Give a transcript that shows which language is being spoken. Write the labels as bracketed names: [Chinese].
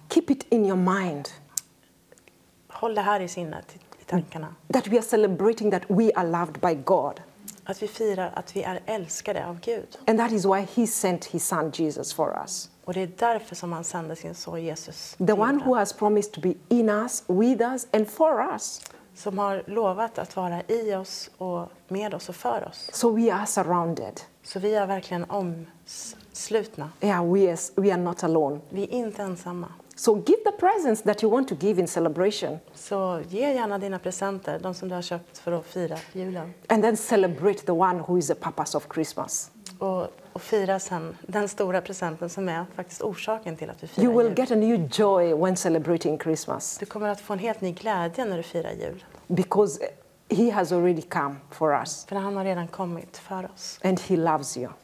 [English] Keep it in your mind. [Swedish] Håll det här I sinnet, I tankarna. [English] That we are celebrating that we are loved by God. [Swedish] Att vi firar att vi är älskade av Gud. [English] And that is why he sent his son Jesus for us. [Swedish] Och det är därför som han sände sin son Jesus. [English] The one who has promised to be in us, with us and for us. [Swedish] Som har lovat att vara I oss och med oss och för oss. [English] So we are surrounded. [Swedish] Så vi är verkligen omslutna. [English] Yeah, we are not alone. [Swedish] Vi är inte ensamma. [English] So give the presents that you want to give in celebration. [Swedish] Så ge gärna dina presenter, de som du har köpt för att fira julen. [English] And then celebrate the one who is the purpose of Christmas. [Swedish] Och fira sen den stora presenten som är faktiskt orsaken till att vi firar jul. [English] You will get a new joy when celebrating Christmas. [Swedish] Du kommer att få en helt ny glädje när du firar jul. [English] Because he has already come for us. [Swedish] För han har redan kommit för oss. [English] And he loves you.